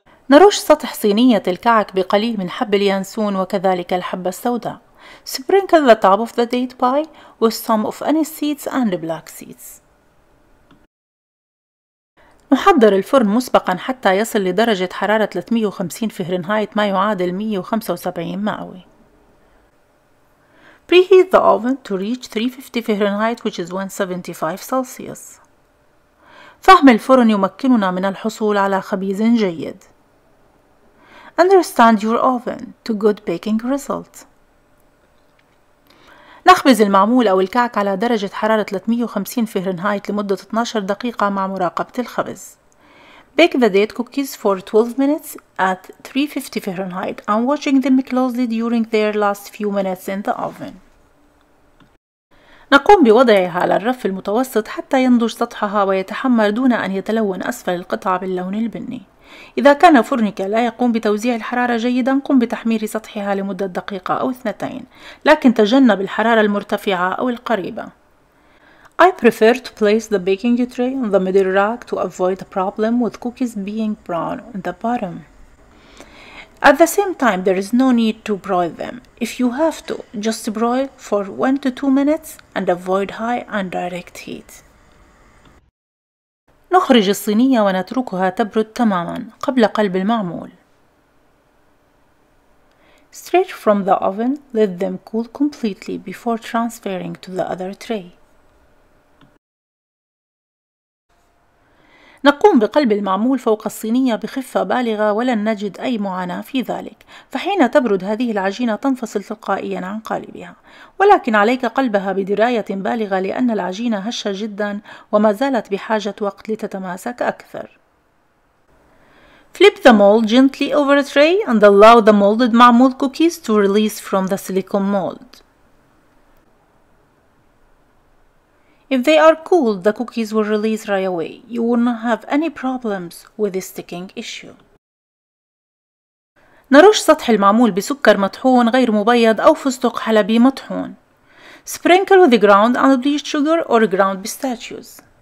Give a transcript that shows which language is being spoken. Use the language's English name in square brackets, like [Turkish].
[Arabic] نرش سطح صينية الكعك بقليل من حب اليانسون وكذلك الحبة السوداء. [English] Sprinkle the top of the date pie with some of anise seeds and black seeds. [Arabic] نحضر الفرن مسبقا حتى يصل لدرجة حرارة 350 فهرنهايت ما يعادل 175 مئوي. [English] Preheat the oven to reach 350 Fahrenheit which is 175 Celsius. [Arabic] فهم الفرن يمكننا من الحصول على خبيز جيد. [English] Understand your oven to good baking result. [Arabic] نخبز المعمول أو الكعك على درجة حرارة 350 فهرنهايت لمدة 12 دقيقة مع مراقبة الخبز. [English] Bake the date cookies for 12 minutes at 350 Fahrenheit and watching them closely during their last few minutes in the oven. [Arabic] نقوم بوضعها على الرف المتوسط حتى ينضج سطحها ويتحمر دون أن يتلون أسفل القطعة باللون البني. إذا كان فرنك لا يقوم بتوزيع الحرارة جيداً، قم بتحمير سطحها لمدة دقيقة أو اثنتين، لكن تجنب الحرارة المرتفعة أو القريبة. [English] I prefer to place the baking tray on the middle rack to avoid a problem with cookies being brown in the bottom. At the same time, there is no need to broil them. If you have to, just broil for 1 to 2 minutes and avoid high and direct heat. [Arabic] نخرج الصينية ونتركها تبرد تماماً قبل قلب المعمول. [English] Straight from the oven, let them cool completely before transferring to the other tray. [Arabic] نقوم بقلب المعمول فوق الصينية بخفة بالغة ولن نجد أي معاناة في ذلك، فحين تبرد هذه العجينة تنفصل تلقائياً عن قالبها، ولكن عليك قلبها بدراية بالغة لأن العجينة هشة جداً وما زالت بحاجة وقت لتتماسك أكثر. [English] Flip the mold gently over a tray and allow the molded معمول cookies to release from the silicone mold. If they are cooled, the cookies will release right away. You will not have any problems with the sticking issue. [Arabic] نرش سطح المعمول بسكر مطحون غير مبيض أو فستق حلبي مطحون. [English] Sprinkle with the ground unbleached sugar or ground pistachios.